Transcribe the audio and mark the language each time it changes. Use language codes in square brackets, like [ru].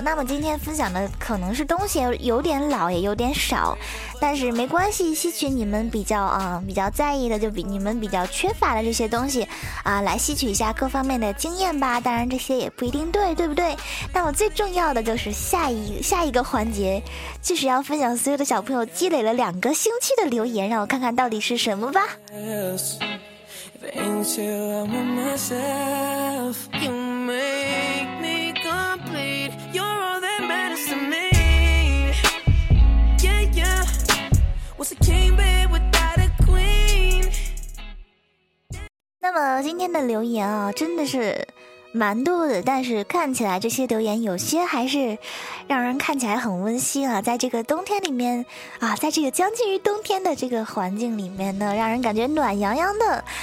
[zh] 那么今天分享的可能是东西有点老，也有点少，但是没关系，吸取你们比较在意的，就比你们比较缺乏的这些东西啊，来吸取一下各方面的经验吧。当然这些也不一定对，对不对？那么最重要的就是下一个环节，就是要分享所有的小朋友积累了两个星期的留言，让我看看到底是什么吧。 [en] Yes. Thank you, I'm with myself. You make me complete. You're all that matters to me. Yeah, yeah. What's a king, babe, without a queen? [zh] 那么今天的留言啊，真的是蛮多的，但是看起来这些留言有些还是让人看起来很温馨啊，在这个冬天里面啊，在这个将近于冬天的这个环境里面呢，让人感觉暖洋洋的。